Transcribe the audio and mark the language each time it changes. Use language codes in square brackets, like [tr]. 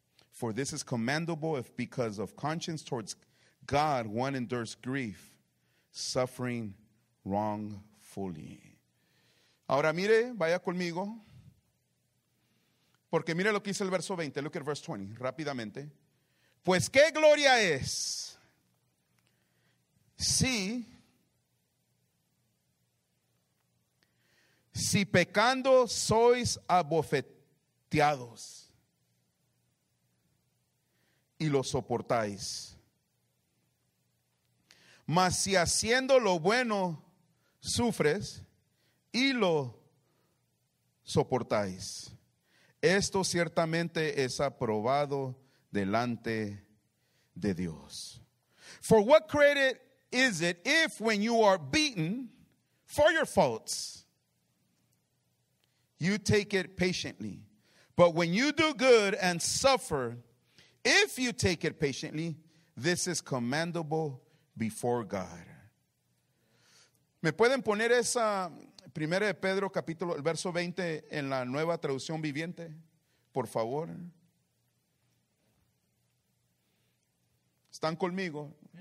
[en] For this is commendable if because of conscience towards God one endures grief, suffering wrongfully. [es] Ahora mire, vaya conmigo. Porque mire lo que dice el verso 20. [en] Look at verse 20, [es] rápidamente. Pues qué gloria es si pecando sois abofeteados. Y lo soportáis. Mas si haciendo lo bueno sufres y lo soportáis. Esto ciertamente es aprobado delante de Dios. [en] For what credit is it if when you are beaten for your faults, you take it patiently. But when you do good and suffer, if you take it patiently, this is commendable before God. [es] ¿Me pueden poner esa primera de Pedro capítulo, el verso 20 en la nueva traducción viviente, por favor? ¿Están conmigo?